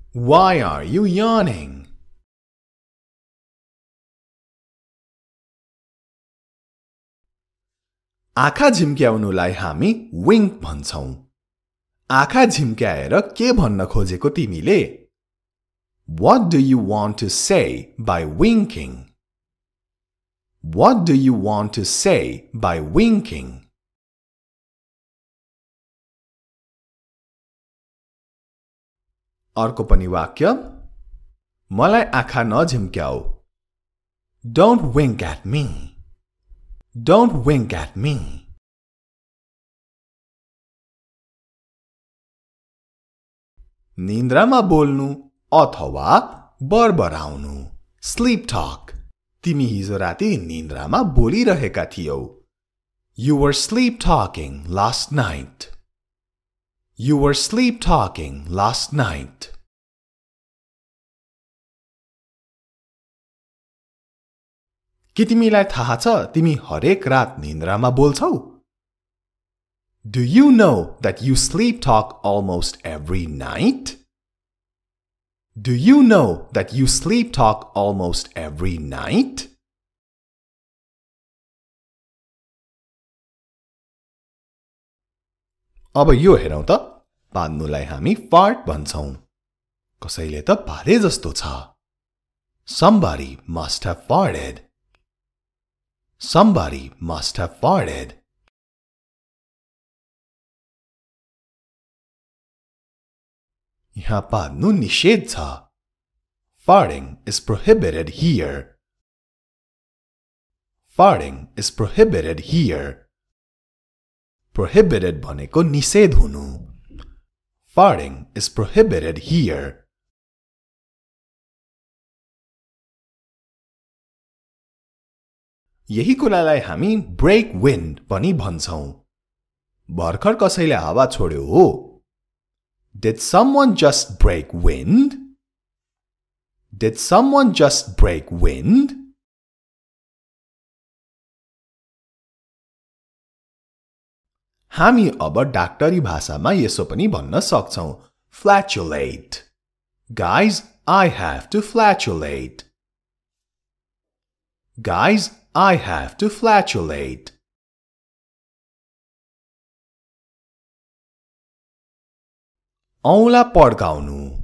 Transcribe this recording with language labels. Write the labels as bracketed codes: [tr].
[en] Why are you yawning? [ne] आँखा झिम्क्याउनुलाई हामी wink भन्छौं. आँखा झिम्क्याएर के भन्न खोजेको तिमीले? [en] What do you want to say by winking? What do you want to say by winking? [ne] अर्को पनि वाक्य मलाई आँखा नझिम्क्याऊ. [en] Don't wink at me. Don't wink at me. [ne] निन्द्रामा बोल्नु अथवा बर्बराउनु स्लीप टॉक. तिमी हिजो राति निन्द्रामा बोलिरहेका थियौ. [en] You were sleep talking last night. You were sleep talking last night. [ne] कि तिमीलाई थाहा छ तिमी हरेक रात निन्द्रामा बोल्छौ? [en] Do you know that you sleep talk almost every night? Do you know that you sleep talk almost every night? [ne] अब यो हेरौं त पान्नुलाई हामी फार्ट भन्छौ. कसैले त पारे जस्तो छ. [en] Somebody must have farted. Somebody must have farted. [ne] यहाँ पार्नु निषेध छ. [en] Farting is prohibited here. Farting is prohibited here. [ne] Prohibited भनेको निषेध हुनु. [en] Farting is prohibited here. [ne] यही कुरालाई हामी ब्रेक विन्ड पनि भन्छौं. भर्खर कसैले हावा छोड्यो हो. [en] Did someone just break wind? Did someone just break wind? [ne] हामी अब डाक्टरी भाषामा यसो पनि भन्न सक्छौं. [en] Flatulate. Guys, I have to flatulate. Guys, I have to flatulate. [ne] औला पड्काउनु.